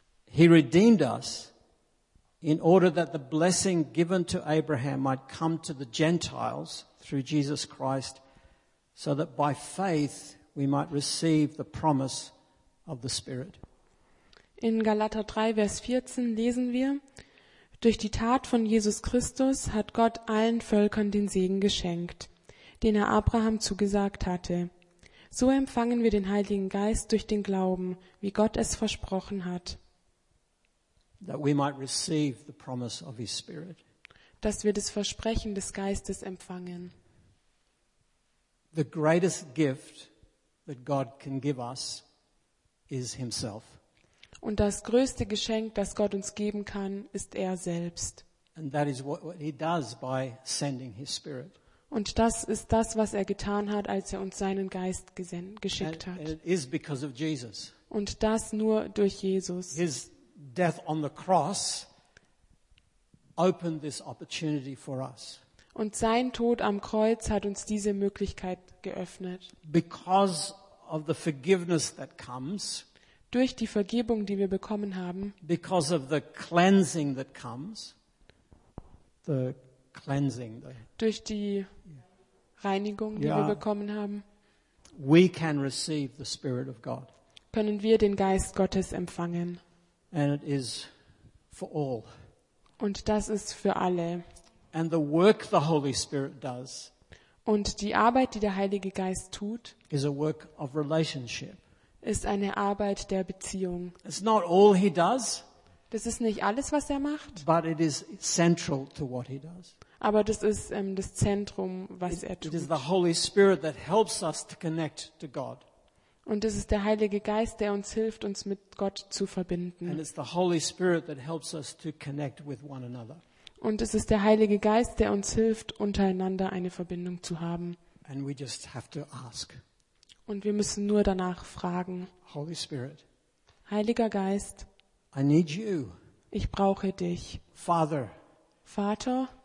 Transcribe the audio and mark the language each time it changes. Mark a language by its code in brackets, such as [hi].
[en] He redeemed us in order that the blessing given to Abraham might come to the Gentiles through Jesus Christ, so that by faith we might receive the promise of the Spirit. [de] In Galater 3, Vers 14 lesen wir, durch die Tat von Jesus Christus hat Gott allen Völkern den Segen geschenkt. den er Abraham zugesagt hatte. So empfangen wir den Heiligen Geist durch den Glauben, wie Gott es versprochen hat. [en] That we might receive the promise of his Spirit. [de] Dass wir das Versprechen des Geistes empfangen. [en] The greatest gift that God can give us is himself. [de] Und das größte Geschenk, das Gott uns geben kann, ist er selbst. [en] And that is what he does by sending his Spirit. [de] Und das ist das, was er getan hat, als er uns seinen Geist geschickt hat. [en] And it is because of Jesus. [de] Und das nur durch Jesus. [en] His death on the cross opened this opportunity for us. [de] Und sein Tod am Kreuz hat uns diese Möglichkeit geöffnet. [en] Because of the forgiveness that comes. [de] Durch die Vergebung, die wir bekommen haben. [en] Because of the cleansing that comes. The cleansing. [de] Durch die Reinigung, die wir bekommen haben. [en] We can receive the Spirit of God. [de] Können wir den Geist Gottes empfangen. [en] And it is for all. [de] Und das ist für alle. [en] And the work the Holy Spirit does. [de] Und die Arbeit, die der Heilige Geist tut, [en] is a work of relationship. [de] Ist eine Arbeit der Beziehung. [en] It's not all he does. [de] Das ist nicht alles, was er macht. [en] But it is central to what he does. [de] Aber das ist das Zentrum, was er tut. [en] It is the Holy Spirit that helps us to connect to God. [de] Und es ist der Heilige Geist, der uns hilft, uns mit Gott zu verbinden. [en] And it's the Holy Spirit that helps us to connect with one another. [de] Und es ist der Heilige Geist, der uns hilft, untereinander eine Verbindung zu haben. [en] And we just have to ask. [de] Und wir müssen nur danach fragen. [en] Holy Spirit, [de] Heiliger Geist, [en] I need you. [de] Ich brauche dich. [en] Father, [de] Vater,